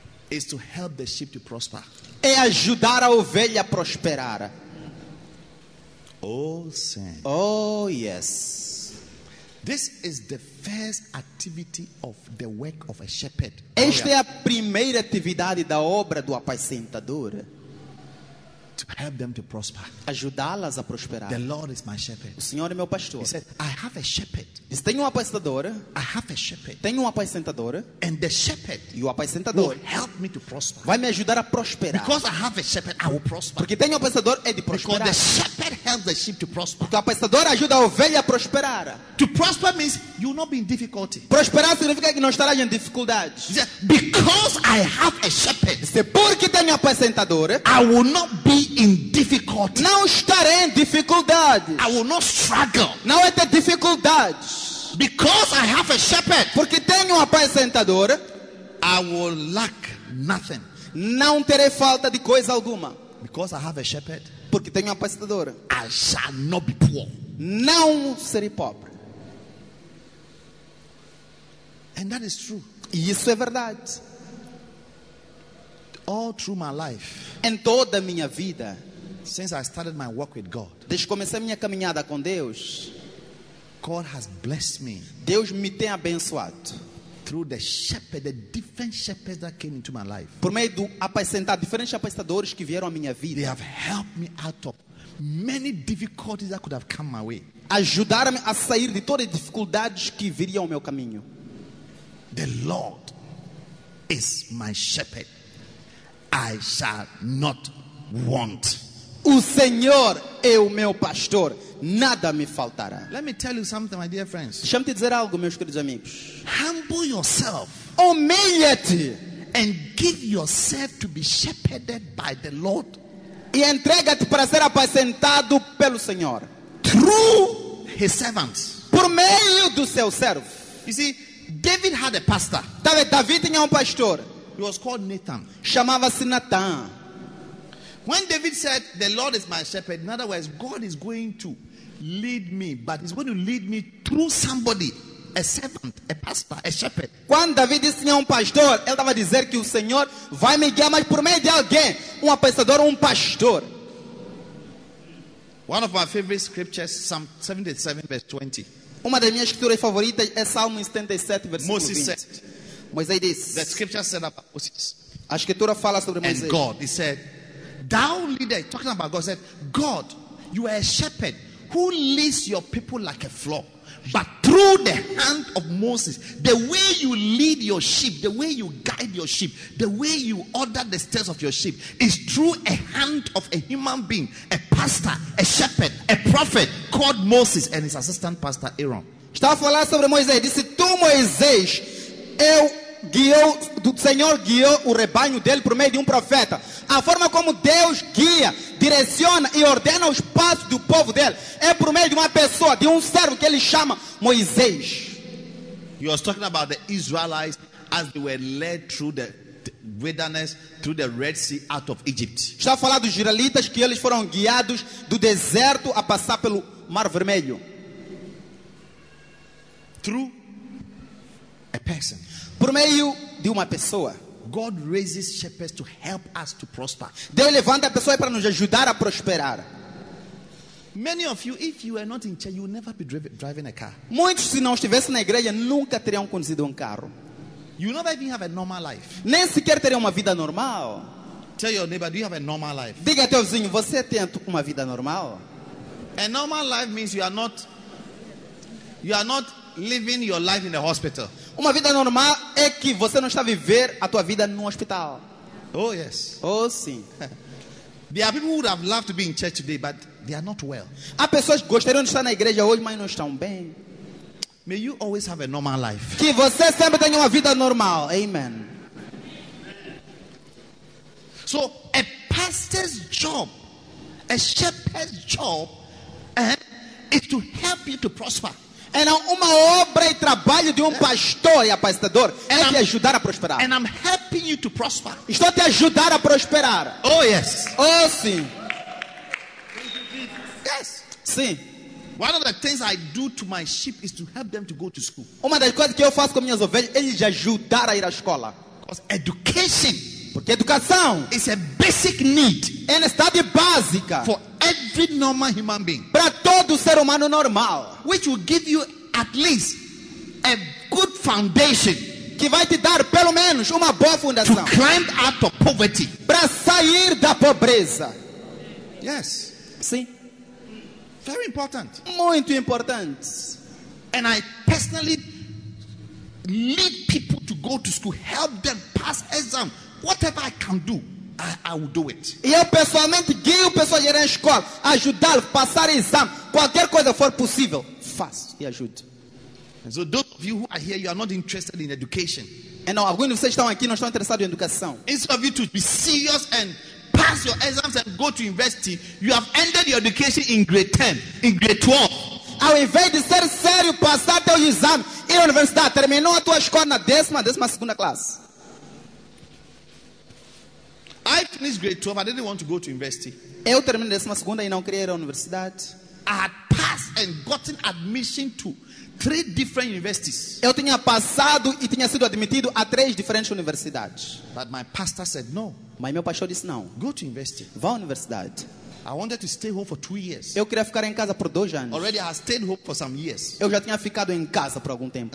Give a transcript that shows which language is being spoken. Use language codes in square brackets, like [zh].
[en] is to help the sheep to prosper. [pt] É ajudar a ovelha a prosperar. Oh, sim. [en] Oh, yes. This is the first activity of the work of a shepherd. [pt] Esta é a primeira atividade da obra do apacentador. [en] To help them to prosper. [pt] Ajudá-las a prosperar. [en] The Lord is my shepherd. [pt] O Senhor é meu pastor. [en] He said, I have a shepherd. [pt] Diz, tenho uma apacentadora. [en] I have a shepherd. [pt] Tenho uma apacentadora. [en] And the shepherd, [pt] e o apacentador, [en] will help me to prosper. [pt] Vai me ajudar a prosperar. [en] Because I have a shepherd, I will prosper. [pt] Porque tenho um apacentador, é de prosperar. [en] Because the shepherd helps the sheep to prosper. [pt] Porque o apacentador ajuda a ovelha a prosperar. [en] To prosper means you will not be in difficulty. [pt] Prosperar significa que não estará em dificuldade. [en] He said, because I have a shepherd, [pt] diz, porque tenho uma apacentadora, [en] I will not be in difficulty. [pt] Não estarei em dificuldade. [en] I will not struggle. [pt] Não é ter dificuldades. [en] Because I have a shepherd. [pt] Porque tenho um apacentador. [en] I will lack nothing. [pt] Não terei falta de coisa alguma. [en] Because I have a shepherd. [pt] Porque tenho um apacentador. [en] I shall not be poor. [pt] Não serei pobre. [en] And that is true. [pt] E isso é verdade. [en] All through my life, [pt] em toda a minha vida, [en] since I started my walk with God, [pt] desde que comecei a minha caminhada com Deus, [en] God has blessed me. [pt] Deus me tem abençoado. [en] Through the shepherd, the different shepherds that came into my life, [pt] por meio do apacentar, diferentes apacentadores que vieram à minha vida, [en] they have helped me out of many difficulties that could have come my way. [pt] Ajudaram-me a sair de todas as dificuldades que viriam ao meu caminho. [en] The Lord is my shepherd. I shall not want. [pt] O Senhor é o meu pastor. Nada me faltará. [en] Let me tell you something, my dear friends. [pt] Deixa-me te dizer algo, meus queridos amigos. [en] Humble yourself. [pt] Humilha-te. [en] And give yourself to be shepherded by the Lord. [pt] E entrega-te para ser apacentado pelo Senhor. [en] Through his servants. [pt] por meio do seu servo. [en] You see, David had a pastor. [pt] Sabe, Davi tinha pastor. [en] He was called Nathan. [pt] Chamava-se Nathan. [en] When David said, "The Lord is my shepherd," in other words, God is going to lead me, but he's going to lead me through somebody, a servant, a pastor, a shepherd. [pt] Quando David disse tinha pastor, ele estava a dizer que o Senhor vai me guiar, mas por meio de alguém, pastor, pastor. [en] One of my favorite scriptures, Psalm 77, verse 20. [pt] Uma das minhas escrituras favoritas é Salmo 77, versículo 20. [en] Moses said, [pt] Moisés disse, [en] the scripture said about Moses. [pt] A escritura fala sobre Moisés. [en] And God, he said, thou leader, talking about God, said, God, you are a shepherd who leads your people like a flock. But through the hand of Moses, the way you lead your sheep, the way you guide your sheep, the way you order the steps of your sheep, is through a hand of a human being, a pastor, a shepherd, a prophet called Moses and his assistant pastor Aaron. [pt] Está a falar sobre Moisés. Disse, tu Moisés, eu guiou, do Senhor guiou o rebanho dele por meio de profeta. A forma como Deus guia, direciona e ordena os passos do povo dele é por meio de pessoa, de servo que ele chama Moisés. [en] He was talking about the Israelites as they were led through the wilderness, through the Red Sea out of Egypt. [pt] Está a falar dos israelitas que eles foram guiados do deserto a passar pelo Mar Vermelho. [en] Through a person. [pt] Por meio de pessoa. [en] God raises shepherds to help us to prosper. [pt] Deus levanta pessoas para nos ajudar a prosperar. [en] Many of you, if you are not in church, you will never be driving a car. [pt] Muitos, se não estivessem na igreja, nunca teriam conduzido carro. [en] You never even have a normal life. [pt] Nem sequer teriam vida normal. [en] Tell your neighbor, do you have a normal life? [pt] Diga ao teu vizinho, você tem vida normal? [en] A normal life means you are not living your life in a hospital. [pt] Uma vida normal é que você não está a viver a tua vida no hospital. [en] Oh yes. [pt] Oh sim. [en] There are people who would have loved to be in church today, but they are not well. [pt] Há pessoas que gostariam de estar na igreja hoje, mas não estão bem. [en] May you always have a normal life. [pt] Que você sempre tenha vida normal. Amen. [en] So, a pastor's job, a shepherd's job, is to help you to prosper. [pt] É uma obra e trabalho de pastor e pastor é te ajudar a prosperar. [en] And I'm helping you to prosper. [pt] Estou te ajudar a prosperar. [en] Oh yes. [pt] Oh sim. [en] Yes. [pt] Sim. [en] One of the things I do to my sheep is to help them to go to school. [pt] Uma das coisas que eu faço com minhas ovelhas é lhes ajudar a ir à escola. [en] Because education, [pt] porque educação [en] is a basic need, [pt] é necessidade básica [en] for every normal human being. [pt] Para todo ser humano normal, [en] which will give you at least a good foundation, [pt] que vai te dar pelo menos boa fundação [en] to climb out of poverty, [pt] para sair da pobreza. [en] Yes. [pt] Sim. [en] Very important. [pt] Muito importante. [en] And I personally lead people to go to school, help them pass exam. Whatever I can do, I will do it. [pt] E eu pessoalmente guio pessoas a ir à escola, ajudá-lo a passar exam. Qualquer coisa for possível, faço e ajudo. [en] And so those of you who are here, you are not interested in education. [pt] E não, alguns de vocês estão aqui não estão interessados em educação. [en] Instead of you to be serious and pass your exams and go to university, you have ended your education in grade 10, in grade 12. [pt] Ao invés de ser sério, passar teu exame e a universidade, terminou a tua escola na décima segunda classe. [en] I finished grade 12. I didn't want to go to university. [pt] Eu terminei a décima segunda e não queria ir à universidade. [en] I had passed and gotten admission to 3 different universities. [pt] Eu tinha passado e tinha sido admitido a 3 diferentes universidades. [en] But my pastor said no. [pt] Mas meu pastor disse não. [en] Go to university. [pt] Vá à universidade. [en] I wanted to stay home for 2 years. [pt] Eu queria ficar em casa por 2 anos. [en] Already I stayed home for some years. [pt] Eu já tinha ficado em casa por algum tempo.